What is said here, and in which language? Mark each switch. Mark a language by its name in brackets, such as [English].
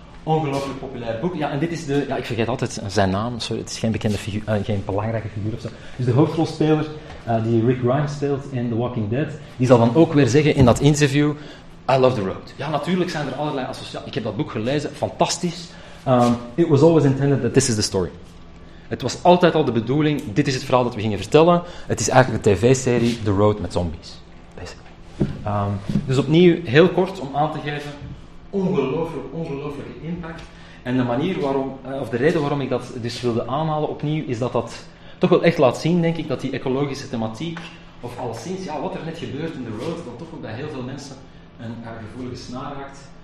[Dutch] Ongelooflijk populair boek. Ja, en dit is de... Ja, ik vergeet altijd zijn naam. Sorry, het is geen bekende figuur. Geen belangrijke figuur of zo. Dus de hoofdrolspeler die Rick Grimes speelt in The Walking Dead. Die zal dan ook weer zeggen in dat interview. [English] I love The Road. [Dutch] Ja, natuurlijk zijn er allerlei associaties. Ik heb dat boek gelezen. Fantastisch. [English] It was always intended that this is the story. [Dutch] Het was altijd al de bedoeling, dit is het verhaal dat we gingen vertellen. Het is eigenlijk een tv-serie, The Road met zombies. [English] Basically. [Dutch] Dus opnieuw, heel kort om aan te geven, ongelooflijke impact. En de manier waarom, of de reden waarom ik dat dus wilde aanhalen opnieuw, is dat toch wel echt laat zien, denk ik, dat die ecologische thematiek, of alleszins, ja, wat er net gebeurt in The Road, dan toch wel bij heel veel mensen een gevoelige snaar raakt.